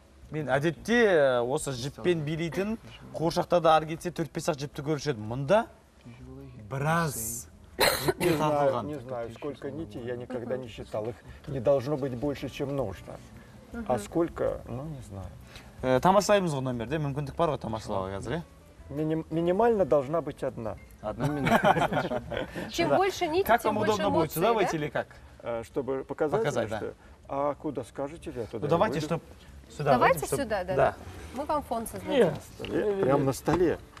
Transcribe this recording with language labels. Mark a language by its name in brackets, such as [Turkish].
[Kazakh] Мен әдетте осы жіппен билейтін қуыршақта да ары кетсе 4-5 ақ жіпті көрушеді. Мұнда біраз жіппен тартылған. [Russian] Не знаю, сколько нитей, я никогда не считал их. Не должно быть больше, чем нужно. А сколько, ну не знаю. [Kazakh] Тамашалаймыз ғой номерде, мүмкіндік бар ғой тамашалауға қазір, иә? [Russian] Минимально должна быть одна. Одна минута. Чем больше нити, тем больше эмоций, да? Как вам удобно будет, сюда войти или как? Чтобы показать, да. А куда скажете, я туда. Ну давайте, чтобы... Сюда давайте вводим, сюда, чтоб... да. Мы вам фон создадим. Нет, прямо на столе.